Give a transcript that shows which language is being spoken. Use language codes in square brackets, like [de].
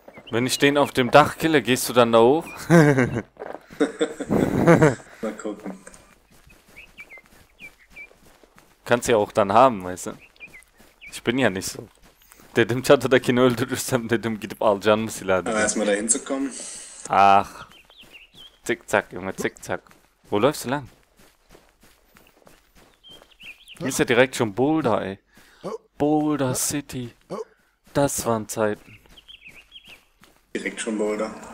[de] Wenn ich den auf dem Dach kille, gehst du dann da hoch? Mal gucken. Kannst ja auch dann haben, weißt du? Ich bin ja nicht so. [tr] Dedim çatıdakini öldürürsem dedim gidip alacağım mı silah [de] Aber [tr] dedim. [de] erstmal dahin zu kommen. Ach. Zick zack, Junge, zick zack. Wo läufst du lang? Ist ja direkt schon Boulder, ey. Boulder City. Das waren Zeiten. Direkt schon Boulder.